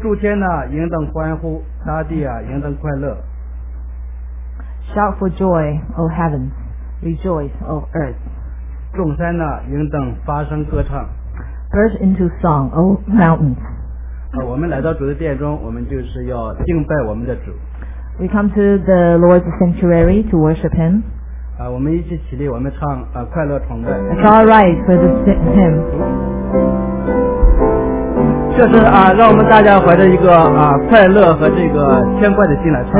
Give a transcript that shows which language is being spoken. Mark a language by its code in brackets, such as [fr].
[zh] 这诸天呢，应当欢呼，大地啊，应当快乐。 [en] Shout for joy, O heavens! Rejoice, O earth! [zh] 众山呢，应当发声歌唱。 [en] Burst into song, O mountains! [zh] 我们来到主的殿中，我们就是要敬拜我们的主。 [en] We come to the Lord's sanctuary to worship Him. [zh] 我们一起起立，我们唱快乐崇拜。 [en] It's all right for the hymn. [zh] 这是让我们大家怀着一个快乐和这个牵挂的心来唱。